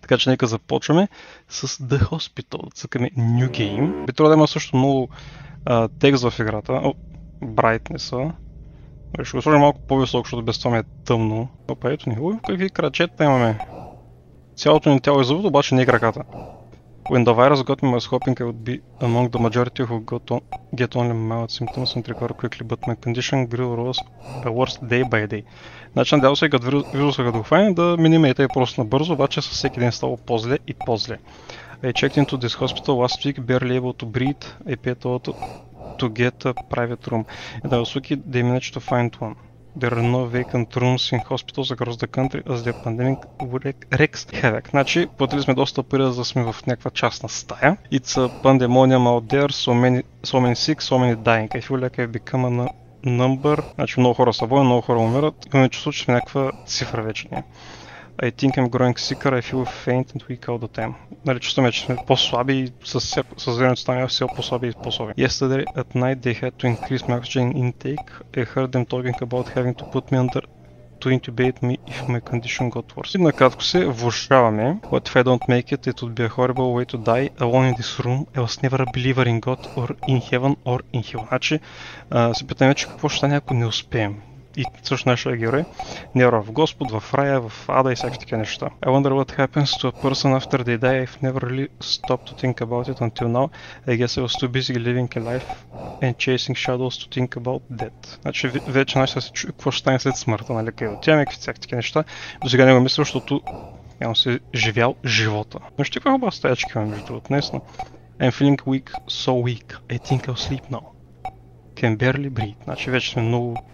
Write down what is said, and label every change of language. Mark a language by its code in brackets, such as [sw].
[bg] Така че нека започваме с The Hospital. Цъкаме New Game. Би трябва да има също много текст в играта. О, Brightness-а. Ще го сложим малко по-високо, защото без това ми е тъмно. Опа, ето ни. Ой, какви крачета имаме. Цялото ни тяло е зъбът, обаче не е краката. [en] When the virus got me, I was hoping I would be among the majority who got on, get only mild symptoms and recover quickly, but my condition grew worse, worse day by day. [bg] Значи надявам се, като вируса като хвани, да минем и тъй просто набързо, обаче със всеки ден става по-зле и по-зле. [en] I checked into this hospital last week, barely able to breathe, I paid all to get a private room. And I was lucky they managed to find one. There are no vacant rooms in hospitals across the country as the pandemic wreaks havoc. [bg] Значи, платили сме доста пари да сме в някаква частна стая. [en] It's a pandemonium out there, so many sick, so many dying. I feel like I've become a number. [bg] Значи, много хора са болни, много хора умират. Имаме чувство, че сме някаква цифра вече ние. [en] I think I'm growing sicker, I feel faint and weak all the time. [bg] Нали, чувстваме, че сме по-слаби и с времето ставаме все по-слаби и по-слаби. [en] Yesterday at night they had to increase my oxygen intake. I heard them talking about having to put me under to intubate me if my condition got worse. [bg] И накратко се влушаваме. [en] What if I don't make it? It would be a horrible way to die alone in this room. I was never a believer in God or in heaven or in hell. [bg] Значи, се питаме, че какво ще стане, ако не успеем. И също нашия герой не вярва в Господ, в рая, в ада и всякакви такива неща. [en] I wonder what happens to a person after they die. I've never really stopped to think about it until now. I guess I was too busy living a life and chasing shadows to think about death. [bg] Значи вече нашия се чуе какво ще стане след смъртта, нали? Къде отиваме, какви всякакви такива неща. До сега не го мисля, защото явно си живял живота. Значи ти каква хубава стаячка имаме между другото днес, но... [en] I'm feeling weak, so weak. I think I'll sleep now. Can barely breathe. [bg] Значи вече сме много...